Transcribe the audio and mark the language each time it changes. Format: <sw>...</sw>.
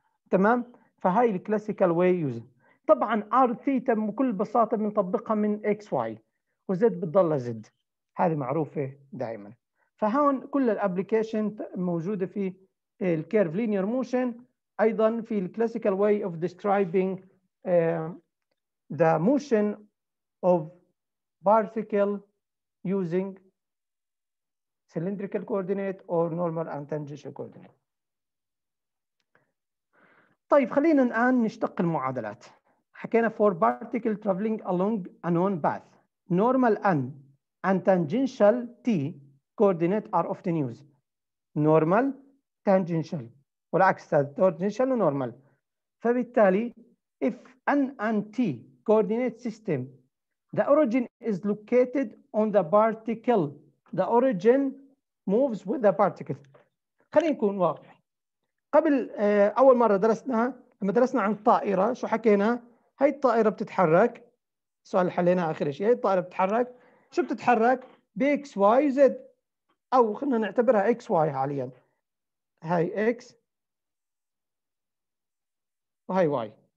<ar>تمام فهاي</ar> <en>الكلاسيكال way use طبعا r theta بكل بساطه بنطبقها من x y و z بتضلها z هذه معروفه دائما فهون كل الابلكيشن موجوده في الكيرف لينير موشن ايضا في الكلاسيكال way of describing the motion of particle using cylindrical coordinate or normal and tangential coordinate.</en> <ar>طيب خلينا الآن نشتق المعادلات. حكينا</ar> <en>for particle traveling along a known path. Normal and tangential t coordinate are often used. Normal, tangential.</en> <ar>والعكس</ar> <en>tangential and normal.</en> <ar>فبالتالي</ar> <en>if n and t coordinate system the origin is located on the particle. The origin moves with the particle.</en> <ar>خلينا نكون واضح. قبل أول مرة درسنا لما درسنا عن الطائرة شو حكينا؟ هاي الطائرة بتتحرك. سؤال حلينا آخر شيء. هاي الطائرة بتتحرك. شو بتتحرك؟ ب x y z أو خلينا نعتبرها x y حاليا. هاي x وهاي y.</ar>